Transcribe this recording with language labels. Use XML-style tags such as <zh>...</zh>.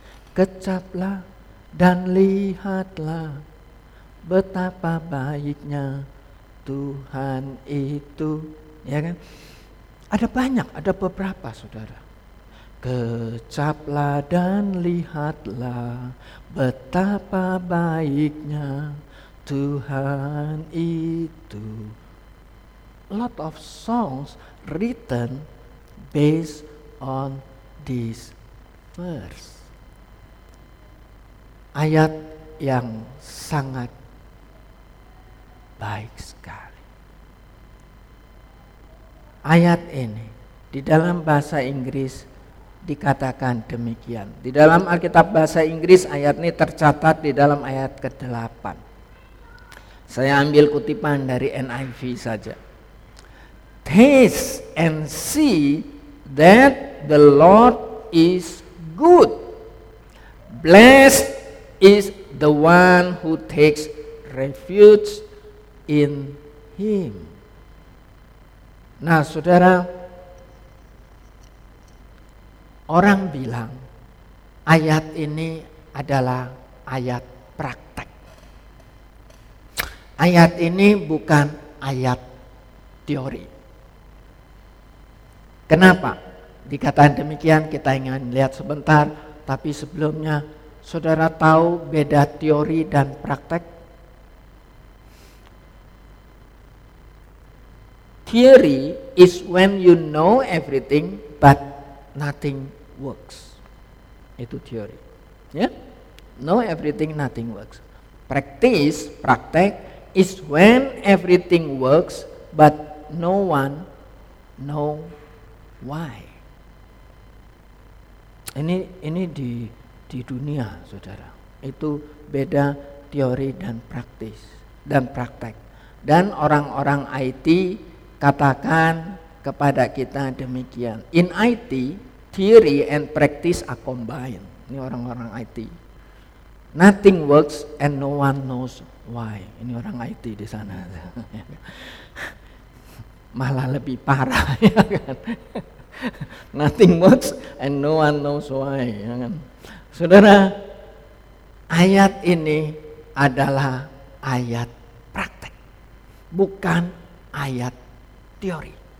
<id>Kecaplah dan lihatlah betapa baiknya Tuhan itu, ya kan? Ada banyak, ada beberapa, saudara. Kecaplah dan lihatlah betapa baiknya Tuhan itu.</id> <en>Lot of songs written based on this verse.</en> <id>Ayat yang sangat baik sekali. Ayat ini di dalam bahasa Inggris dikatakan demikian. Di dalam Alkitab bahasa Inggris ayat ini tercatat di dalam ayat ke-8. Saya ambil kutipan dari NIV saja.</id> <en>Taste and see that the Lord is good. Blessed is the one who takes refuge in Him.</en> <id>Nah, saudara, orang bilang ayat ini adalah ayat praktek. Ayat ini bukan ayat teori. Kenapa? Dikatakan demikian, kita ingin lihat sebentar. Tapi sebelumnya, saudara tahu beda teori dan praktek?</id> <en>Theory is when you know everything but nothing works.</en> <id>Itu teori. Ya?</id> <en>Know everything, nothing works. Practice,</en> <id>praktek,</id> <en>is when everything works but no one know why.</en> <id>Ini di dunia, saudara. Itu beda teori dan praktis dan praktek. Dan orang-orang IT katakan kepada kita demikian.</id> <en>In IT, theory and practice are combined.</en> <id>Ini orang-orang IT.</id> <en>Nothing works and no one knows Why?</en> <id>Ini orang IT di sana. Malah lebih parah, ya kan?</id> <en>Nothing works and no one knows why,</en> <id>ya kan? Saudara, ayat ini adalah ayat praktek, bukan ayat teori.</id>